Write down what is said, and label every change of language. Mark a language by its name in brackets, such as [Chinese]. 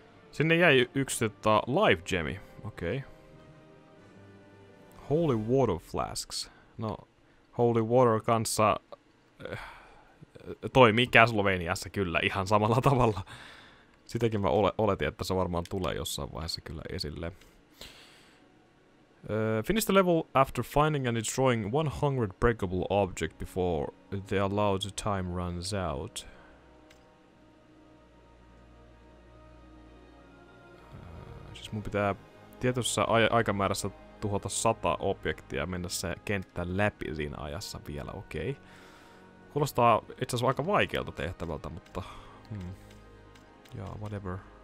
[Finnish] Sinne jäi yksi life gemi. Okei. [English] Okay. Holy water flasks. [Finnish] No, holy water kanssa toimii Käsloveniassa kyllä ihan samalla tavalla. Sitäkin mä oletin, että se varmaan tulee jossain vaiheessa kyllä esille. [English] Finish the level after finding and destroying 100 breakable object before the allowed time runs out. [Finnish] Siis mun pitää tietyssä aikamäärässä tuhota 100 objektia ja mennä se kenttä läpi siinä ajassa vielä, okei. [English] Okay. [Finnish] Kuulostaa itse asiassa aika vaikealta tehtävältä, mutta... Joo, [English] yeah, whatever.